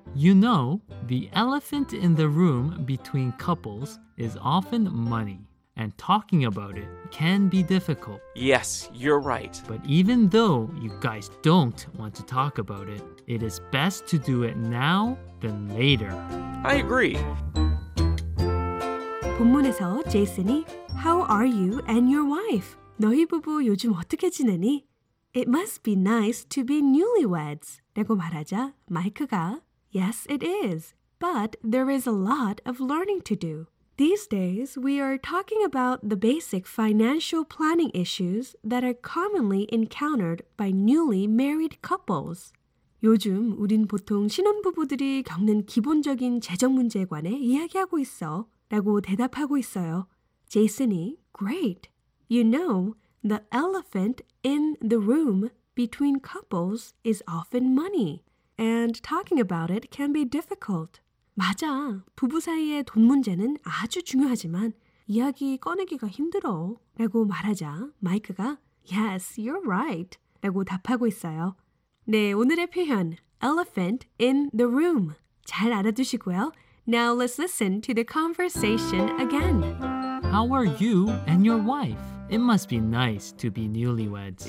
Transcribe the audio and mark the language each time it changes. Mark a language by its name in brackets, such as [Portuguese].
[English] You know, the elephant in the room between couples is often money, and talking about it can be difficult. Yes, you're right. But even though you guys don't want to talk about it, it is best to do it now than later. I agree. [Korean] 본문에서 제이슨이 [English] How are you and your wife? [Korean] 너희 부부 요즘 어떻게 지내니? [English] It must be nice to be newlyweds. [Korean] 라고 말하자 마이크가 [English] Yes, it is. But there is a lot of learning to do. These days, we are talking about the basic financial planning issues that are commonly encountered by newly married couples. [Korean] 요즘 우린 보통 신혼부부들이 겪는 기본적인 재정 문제에 관해 이야기하고 있어. 라고 대답하고 있어요. 제이슨이 great. [English] You know, the elephant in the room between couples is often money. And talking about it can be difficult. [Korean] 맞아. 부부 사이의 돈 문제는 아주 중요하지만 이야기 꺼내기가 힘들어. 라고 말하자 마이크가 [English] Yes, you're right. [Korean] 라고 답하고 있어요. 네, 오늘의 표현 elephant in the room. 잘 알아두시고요. [English] Now let's listen to the conversation again. How are you and your wife? It must be nice to be newlyweds.